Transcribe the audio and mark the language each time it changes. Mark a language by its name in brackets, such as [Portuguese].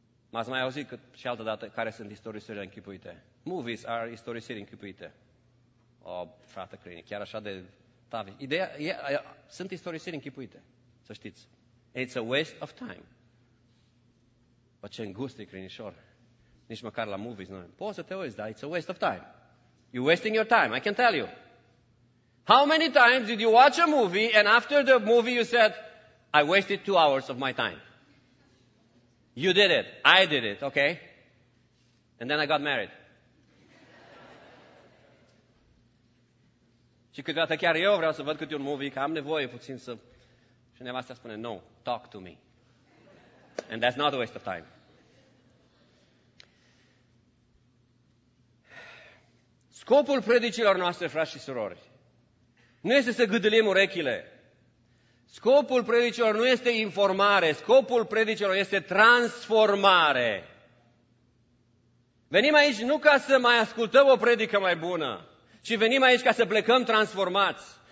[Romanian] M-ați mai auzit și altă dată care sunt istorisirile închipuite? [English] Movies are [Romanian] istorisiri închipuite. O, frate crini, chiar așa de tavi. Ideea, sunt istorisiri închipuite, să știți. [English] It's a waste of time. [Romanian] Bă, ce îngust e, crinișor. Nici măcar la movies nu. Poți să te uiți, dar [English] it's a waste of time. You're wasting your time, I can tell you. How many times did you watch a movie and after the movie you said, I wasted 2 hours of my time. You did it. I did it, okay? And then I got married. [Romanian] Și câteodată chiar eu vreau să văd câte un movie, că am nevoie puțin să... Și nevastea spune, [English] no, talk to me. And that's not a waste of time. [Romanian] Scopul predicilor noastre, frați și surori, nu este să gâdâlim urechile. Scopul predicilor nu este informare, scopul predicilor este transformare. Venim aici nu ca să mai ascultăm o predică mai bună, ci venim aici ca să plecăm transformați.